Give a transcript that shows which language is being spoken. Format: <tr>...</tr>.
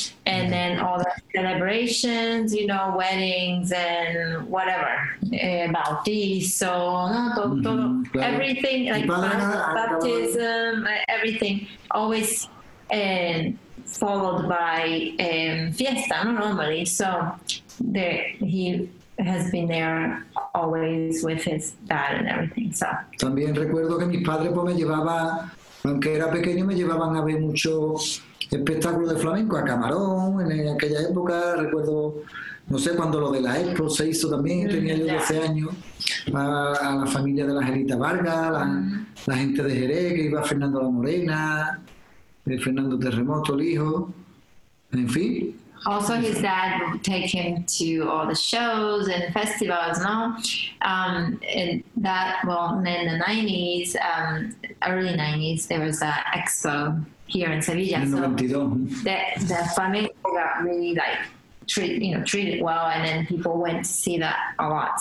<en>And then all the celebrations, you know, weddings and whatever, bautizo, no, everything, like baptism, everything, always followed by fiesta, normally. So there, he has been there always with his dad and everything. So</en> <es>también recuerdo que mis padres pues me llevaban, aunque era pequeño, me llevaban a ver mucho espectáculo de flamenco, a Camarón, en aquella época, recuerdo, no sé, cuando lo de la Expo se hizo también, tenía yo 12 años, a la familia de la Angelita Vargas, la gente de Jerez, que iba Fernando La Morena, Fernando Terremoto, el hijo, en fin.</es> <en>Also, his dad would take him to all the shows and festivals, no? And that, well, in the 90s, early 90s, there was an Expo here in Sevilla. In 92. The flamenco got really, like, treated well, and then people went to see that a lot.</en>